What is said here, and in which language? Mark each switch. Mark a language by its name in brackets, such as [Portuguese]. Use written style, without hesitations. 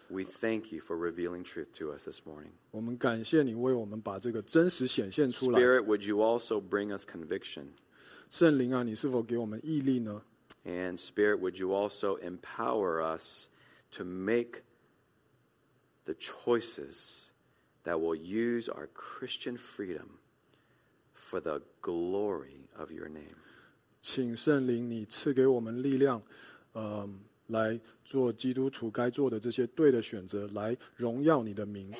[English] We thank you for revealing truth to us this morning. [Chinese] 我们感谢你为我们把这个真实显现出来。 [English] Spirit, would you also bring us conviction? [Chinese] 圣灵啊, 你是否给我们毅力呢? [English] And Spirit, would you also empower us to make the choices that will use our Christian freedom for the glory of your name. [Chinese] 请圣灵你赐给我们力量, 来做基督徒该做的这些对的选择, 来荣耀你的名。